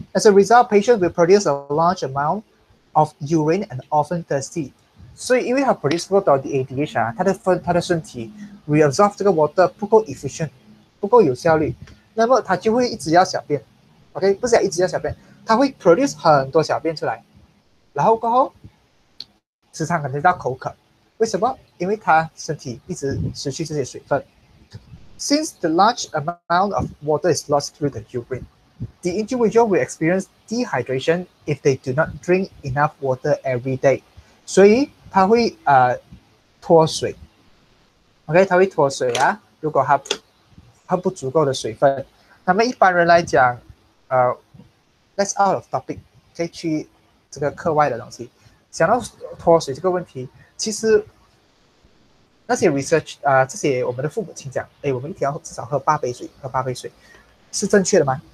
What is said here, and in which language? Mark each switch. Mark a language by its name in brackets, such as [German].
[English] As a result patient will produce a large amount of urine and often thirsty， [Chinese] 所以因为他 produce 不到 ADH 啊，他的身体 reabsorb 这个 water 不够 efficient， 不够有效率，那么他就会一直要小便。 OK， 不是要一直要小便，它会 produce 很多小便出来，然后过后时常感觉到口渴。为什么？因为它身体一直失去这些水分。 [English] Since the large amount of water is lost through the urine, the individual will experience dehydration if they do not drink enough water every day. [Chinese] 所以它会脱水。 OK， 它会脱水啊，如果它不足够的水分。那么一般人来讲， [English] that's out of topic， [Chinese] 可以去这个课外的东西。想到脱水这个问题，其实那些 research 啊、这些我们的父母亲讲，哎，我们一天要至少喝八杯水，是正确的吗？